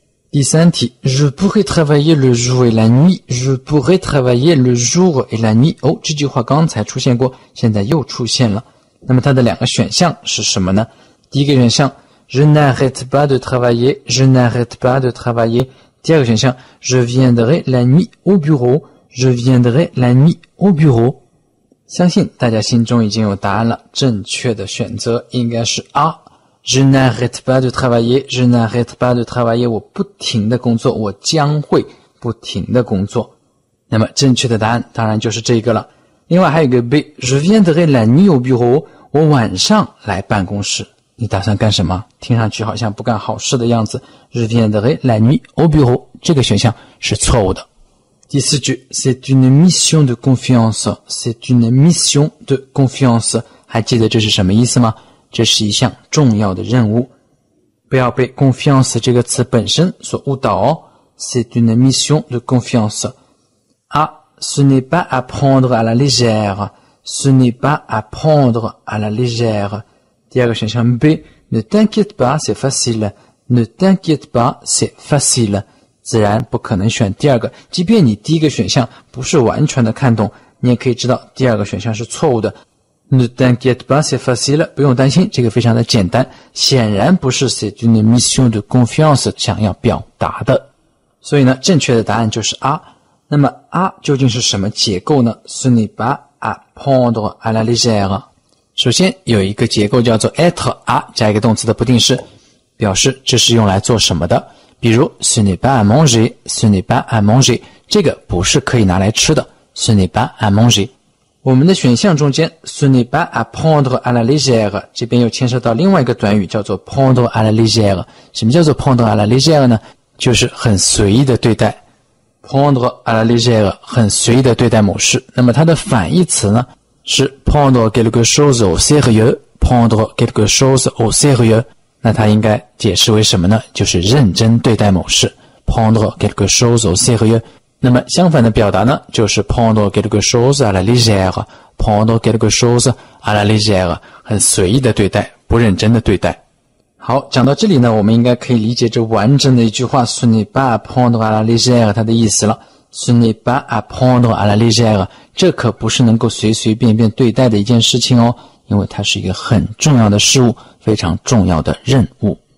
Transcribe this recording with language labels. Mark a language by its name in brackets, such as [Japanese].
[Chinese] 第三题， [French] Je pourrais travailler le jour et la nuit, je pourrais travailler le jour et la nuit, [Chinese] 哦，这句话刚才出现过，现在又出现了。那么它的两个选项是什么呢？第一个选项， [French] Je n'arrête pas de travailler, je n'arrête pas de travailler, [Chinese] 第二个选项， [French] Je viendrai la nuit au bureau, je viendrai la nuit au bureau。 [Chinese] 相信大家心中已经有答案了，正确的选择应该是 A。 [French] Je n'arrête pas de travailler, je n'arrête pas de travailler, [Chinese] 我不停的工作，我将会不停的工作。那么正确的答案当然就是这个了。另外还有一个 [English] B, [French] je viendrai la nuit au bureau, [Chinese] 我晚上来办公室。你打算干什么？听上去好像不干好事的样子。 [French] Je viendrai la nuit au bureau, [Chinese] 这个选项是错误的。第四句， [French] c'est une mission de confiance, c'est une mission de confiance, [Chinese] 还记得这是什么意思吗？这是一项重要的任务，不要被 [French] confiance [Chinese] 这个词本身所误导哦。 [French] C'est une mission de confiance. A, ce n'est pas à prendre à la légère. Ce n'est pas à prendre à la légère. [Chinese] 第二个选项 [English] B, [French] ne t'inquiète pas, c'est facile. Ne t'inquiète pas, c'est facile. [Chinese] 自然不可能选第二个，即便你第一个选项不是完全的看懂，你也可以知道第二个选项是错误的。 [French] Ne t'inquiète pas, c'est facile, [Chinese] 不用担心，这个非常的简单，显然不是 [French] c'est une mission de confiance [Chinese] 想要表达的。所以呢正确的答案就是 A。那么 A 究竟是什么结构呢？ [French] Ce n'est pas à prendre à la légère。 [Chinese] 首先有一个结构叫做 [French] être A [Chinese] 加一个动词的不定式，表示这是用来做什么的，比如 [French] ce n'est pas à manger, ce n'est pas à manger, [Chinese] 这个不是可以拿来吃的 [French] ce n'est pas à manger。 [Chinese] 我们的选项中间 [French] ce n'est pas à prendre à la légère, [Chinese] 这边又牵涉到另外一个短语叫做 [French] prendre à la légère。 [Chinese] 什么叫做 [French] prendre à la légère [Chinese] 呢？就是很随意的对待。 [French] prendre à la légère, [Chinese] 很随意的对待某事。 那么它的反义词呢是 [French] prendre quelque chose au sérieux, prendre quelque chose au sérieux。 [Chinese] 那它应该解释为什么呢？就是认真对待某事。 [French] prendre quelque chose au sérieux。 [Chinese] 那么相反的表达呢就是 [French] prendre quelque chose à la légère, prendre quelque chose à la légère, [Chinese] 很随意的对待，不认真的对待。好，讲到这里呢，我们应该可以理解这完整的一句话 [French] ce n'est pas à prendre à la légère, [Chinese] 它的意思了。 [French] ce n'est pas à prendre à la légère, [Chinese] 这可不是能够随随便便对待的一件事情哦，因为它是一个很重要的事物，非常重要的任务。